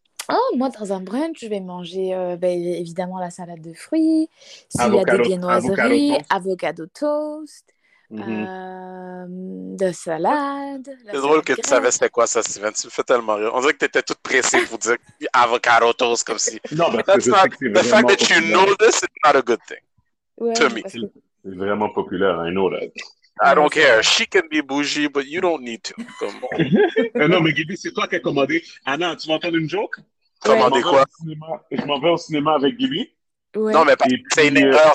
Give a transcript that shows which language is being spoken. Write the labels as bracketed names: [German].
[French] Oh, moi, dans un brunch, je vais manger évidemment la salade de fruits. S'il y a des viennoiseries, [English] avocado toast. [French] Mm-hmm. De salade. C'est drôle que tu savais c'était quoi ça, Steven. Tu me fais tellement rire. On dirait que tu étais toute pressée pour dire [English] avocado toast [French] comme si. Non, mais c'est pas. [English] The fact that you know this is not a good thing. [French] Ouais, [English] to me. [French] C'est vraiment populaire, [English] I know that. I don't care. She can be bougie, but you don't need to. Come on. [French] Non, mais Gibby, c'est toi qui as commandé. Anna, tu vas entendre une joke? Commandé quoi? Je m'en vais au cinéma avec Gibby. Ouais. Non, mais puis, c'est une erreur.